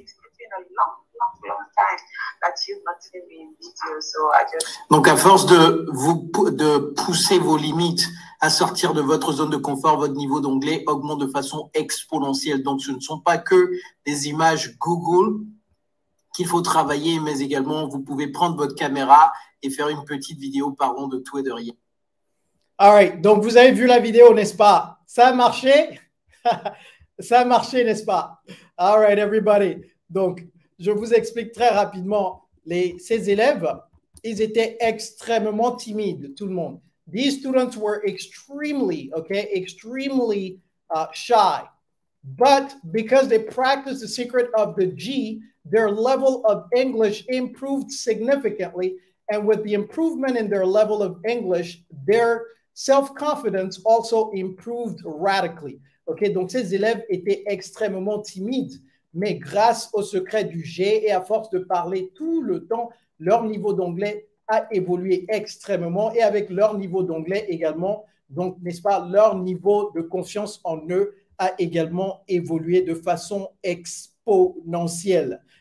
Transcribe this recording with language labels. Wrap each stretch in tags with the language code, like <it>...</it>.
<en>It's been a long, long, long time that you've not seen me in video. So I just...</en> <fr>Donc, à force de, vous, de pousser vos limites à sortir de votre zone de confort, votre niveau d'anglais augmente de façon exponentielle. Donc, ce ne sont pas que des images Google qu'il faut travailler, mais également, vous pouvez prendre votre caméra et faire une petite vidéo parlant de tout et de rien.</fr> <en>All right.</en> <fr>Donc, vous avez vu la vidéo, n'est-ce pas? Ça a marché? Ça a marché, n'est-ce pas?</fr> <en>All right, everybody.</en> <fr>Donc, je vous explique très rapidement. Ces élèves, ils étaient extrêmement timides, tout le monde.</fr> <en>These students were extremely, okay, extremely shy. But because they practiced the secret of the G, their level of English improved significantly. And with the improvement in their level of English, their self-confidence also improved radically.</en> <fr>Okay, donc ces élèves étaient extrêmement timides, mais grâce au secret du G et à force de parler tout le temps, leur niveau d'anglais a évolué extrêmement et avec leur niveau d'anglais également, donc n'est-ce pas, leur niveau de confiance en eux a également évolué de façon exponentielle.</fr>